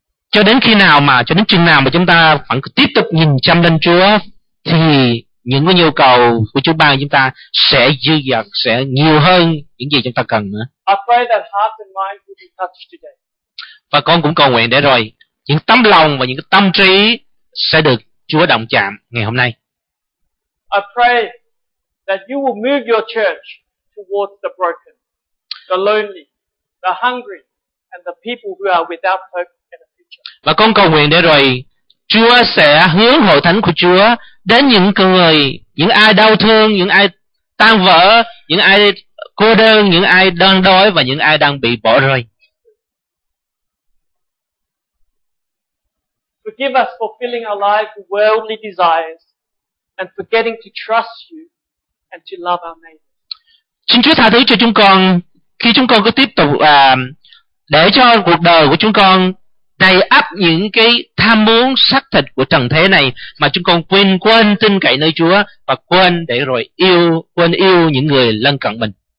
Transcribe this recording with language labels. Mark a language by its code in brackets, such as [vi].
[vi] Cho đến khi nào mà cho đến chừng nào mà chúng ta vẫn tiếp tục nhìn chăm lên Chúa thì những cái nhu cầu của Chúa ban chúng ta sẽ dư dật, sẽ nhiều hơn những gì chúng ta cần nữa. [en] I pray that hearts and minds will be touched today. [vi] Và con cũng cầu nguyện để rồi những tấm lòng và những cái tâm trí sẽ được Chúa động chạm ngày hôm nay. [en] I pray that you will move your church towards the broken, the lonely, the hungry, and the people who are without hope and a future. [vi] Và con cầu nguyện để rồi Chúa sẽ hướng hội thánh của Chúa đến những người, những ai đau thương, những ai tan vỡ, những ai cô đơn, những ai đơn đói và những ai đang bị bỏ rơi. [en] Forgive us for filling our lives with worldly desires and forgetting to trust you and to love our neighbor. [vi] Xin Chúa tha thứ cho chúng con khi chúng con cứ tiếp tục để cho cuộc đời của chúng con đầy ắp những cái tham muốn xác thịt của trần thế này mà chúng con quên tin cậy nơi Chúa và quên yêu những người lân cận mình.